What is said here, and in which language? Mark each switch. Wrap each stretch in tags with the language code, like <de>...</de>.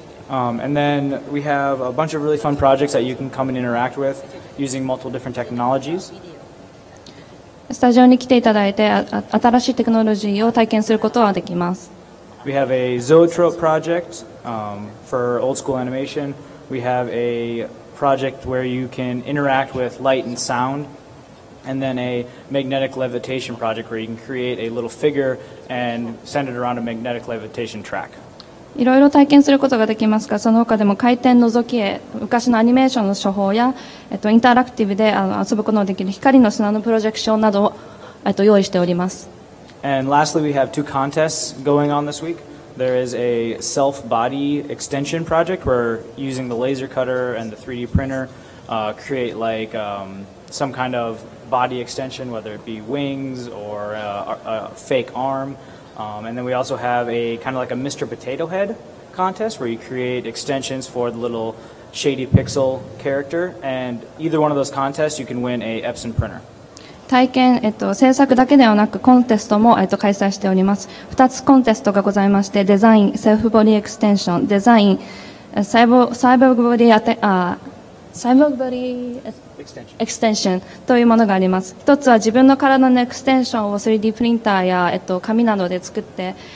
<en>And then we have a bunch of really fun projects that you can come and interact with using multiple different technologies.</en> <ja>スタジオに来ていただいて新しいテクノロジーを体験することはできます。</ja> <en>We have a zoetrope project for old school animation. We have a project where you can interact with light and sound, and then a magnetic levitation project where you can create a little figure and send it around a magnetic levitation track.</en> <ja>いろいろ体験することができますが、その他でも回転のぞき絵、昔のアニメーションの手法や、インタラクティブで遊ぶことができる光の砂のプロジェクションなどを用意しております。</ja> <en>And lastly, we have two contests going on this week. There is a self-body extension project where using the laser cutter and the 3D printer create like some kind of body extension, whether it be wings or a fake armand then we also have a kind of like a Mr. Potato Head contest where you create extensions for the little shady pixel character. And either one of those contests, you can win a Epson printer.</en> <ja>体験、制作だけではなくコンテストも、開催しております。 2つコンテストがございまして、デザイン、セルフボディエクステンション、デザイン、サイボーグボディエクステンションというものがあります。一つは自分の体のエクステンションを 3D プリンターや紙などで作って、</ja>